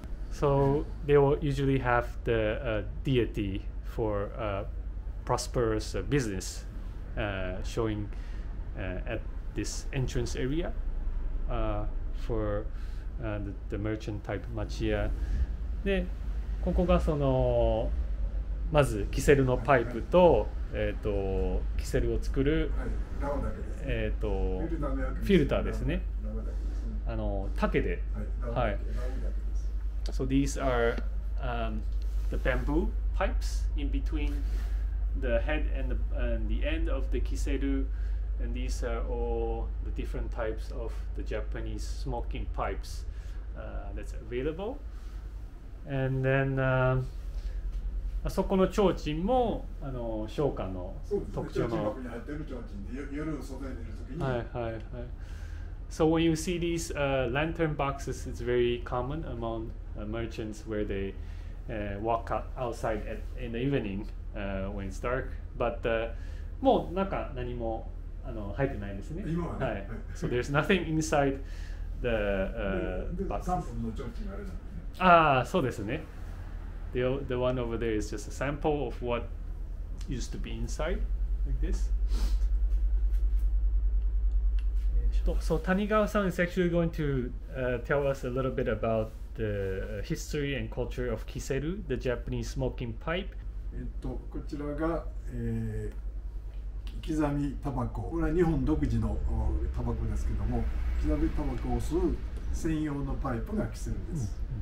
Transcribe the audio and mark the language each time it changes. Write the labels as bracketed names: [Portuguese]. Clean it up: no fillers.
[English] So they will usually have the deity for prosperous business showing at this entrance area for the merchant type machiya. [Japanese] で、ここがそのまずキセルのパイプと、キセルを作る、フィルターですね。あの竹で、はい。 [English] So these are the bamboo pipes in between the head and the end of the kiseru, and these are all the different types of the Japanese smoking pipes that's available. And then, [Japanese] あそこの提灯もあの商家の特徴の。中学に入ってる提灯で、夜の外に出るときに。はいはいはい。 [English] So when you see these lantern boxes, it's very common among merchants where they walk outside at, in the evening when it's dark. But [Japanese] もう中何もあの入ってないですね。今はね。はい。 [English] So there's nothing inside the [Japanese] box. 3本の提灯があるじゃん。ああ、そうですね。 [English] The one over there is just a sample of what used to be inside, like this. So Tanigawa-san is actually going to tell us a little bit about the history and culture of kiseru, the Japanese smoking pipe. [Japanese] こちらが、刻みタバコ。これは日本独自のタバコですけども、刻みタバコを吸う専用のパイプがキセルです。